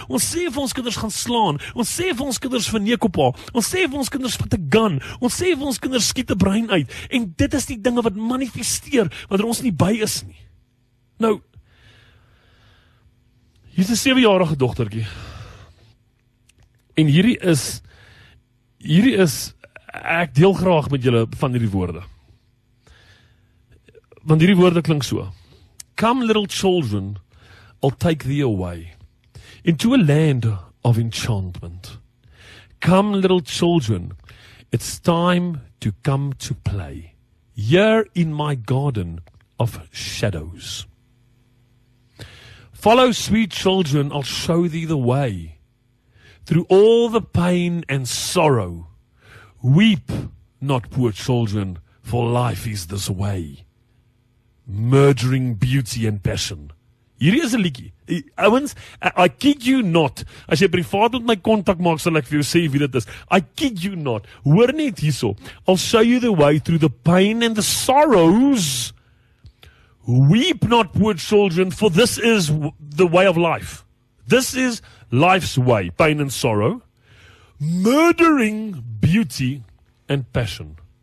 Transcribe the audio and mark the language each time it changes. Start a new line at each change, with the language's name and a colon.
Afrikaans: Ons sê vir ons kinders gaan slaan. Ons sê vir ons kinders verneek op haar. Ons sê vir ons kinders vat 'n gun. Ons sê vir ons kinders skiet 'n brein uit. En dit is die dinge wat manifesteer wanneer ons nie by is nie. Nou, hier is 'n 7-jarige dogtertjie. En hierdie is ek deel graag met julle van hierdie woorde. Want hierdie woorde klink so.
English: Come little children, I'll take thee away into a land of enchantment. Come little children, it's time to come to play here in my garden of shadows. Follow sweet children, I'll show thee the way through all the pain and sorrow. Weep not, poor children, for life is this way. Murdering beauty and passion.
Afrikaans: Hierdie is 'n liedjie.
English: Ouens, I kid you not.
Afrikaans: As jy privaat met my kontak maak, sal ek vir jou sê wie dit is.
English: I kid you not.
Afrikaans: Hoor net hierso.
English: I'll show you the way through the pain and the sorrows. Weep not, poor children, for this is the way of life. This is life's way, pain and sorrow. Murdering beauty and passion.